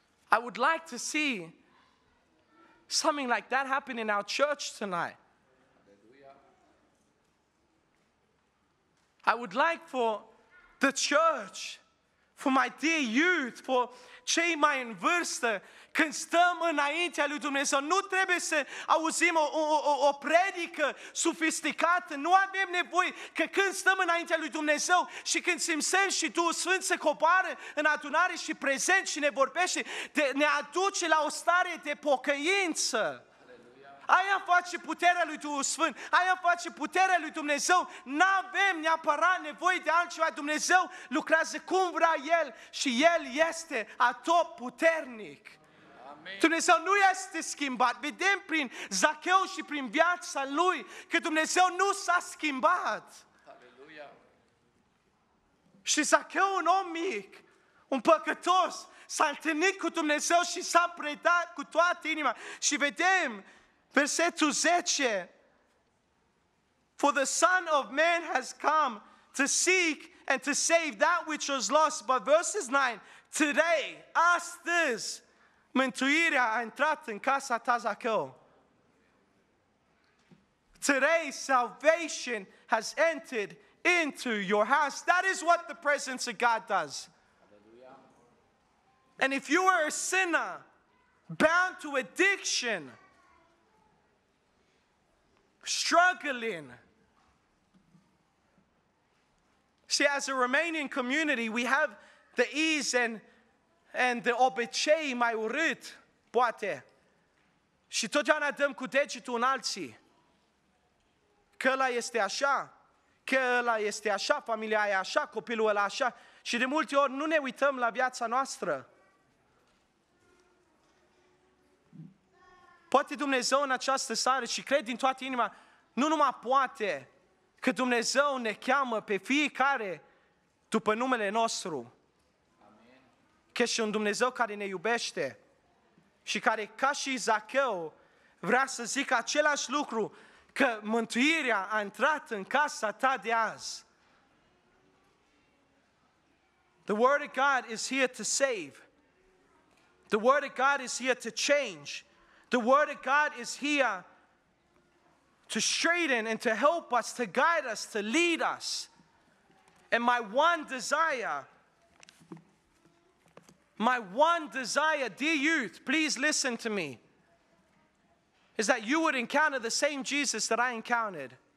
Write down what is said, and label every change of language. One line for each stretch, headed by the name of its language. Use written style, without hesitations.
English: I would like to see something like that happen in our church tonight. I would like for the church, for my dear youth,
Romanian: for cei mai în vârstă, când stăm înaintea lui Dumnezeu, nu trebuie să auzim o predică sofisticată. Nu avem nevoie că când stăm înaintea lui Dumnezeu și când simțim și Duhul Sfânt se coboară în adunare și prezent și ne vorbește, ne aduce la o stare de pocăință. Aia face puterea lui Duhul Sfânt, aia face puterea lui Dumnezeu. N-avem neapărat nevoie de altceva. Dumnezeu lucrează cum vrea El și El este atot puternic. Amen. Dumnezeu nu este schimbat. Vedem prin Zacheu și prin viața lui că Dumnezeu nu s-a schimbat. Aleluia. Și Zacheu, un om mic, un păcătos, s-a întâlnit cu Dumnezeu și s-a predat cu toată inima. Și vedem versetul 10,
English: for the Son of Man has come to seek and to save that which was lost. But verses 9, today,
Romanian: astăzi, mântuirea a intrat în casa ta, Zacheu.
English: Today, salvation has entered into your house. That is what the presence of God does. And if you are a sinner, bound to addiction, struggling. See, as a Romanian community, we have the ease and the
Romanian: obicei mai urât, poate. Și totdeauna dăm cu degetul în alții. Că ăla este așa, că ăla este așa, familia aia așa, copilul ăla așa. Și de multe ori nu ne uităm la viața noastră. Poate Dumnezeu în această seară, și cred din toată inima, nu numai poate, că Dumnezeu ne cheamă pe fiecare după numele nostru. Amen. Că și un Dumnezeu care ne iubește și care, ca și Zacheu, vrea să zică același lucru, că mântuirea a intrat în casa ta de azi.
English: The Word of God is here to save. The Word of God is here to change. The Word of God is here to straighten and to help us, to guide us, to lead us. And my one desire, dear youth, please listen to me, is that you would encounter the same Jesus that I encountered.